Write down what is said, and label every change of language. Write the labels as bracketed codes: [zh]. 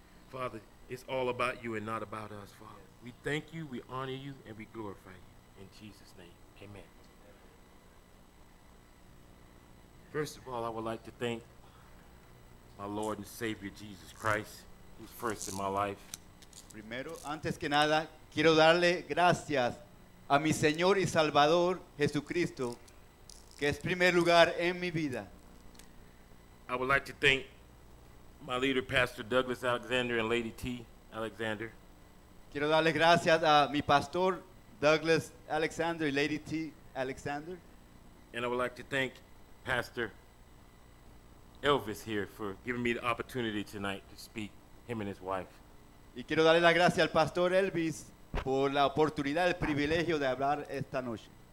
[en] Father, it's all about you and not about us, Father. We thank you, we honor you, and we glorify you. In Jesus' name, amen. First of all, I would like to thank my Lord and Savior, Jesus Christ, who's first in my life. [es] Primero, antes que nada, quiero darle gracias a mi Señor y Salvador, Jesucristo, que es primer lugar en mi vida. [en] I would like to thank my leader, Pastor Douglas Alexander, and Lady T. Alexander. [es] Quiero darle gracias a mi pastor, Douglas Alexander, y Lady T. Alexander. [en] And I would like to thank Pastor Elvis here for giving me the opportunity tonight to speak, him and his wife. [es] Y quiero darle la gracia al Pastor Elvis por la oportunidad, el privilegio de hablar esta noche.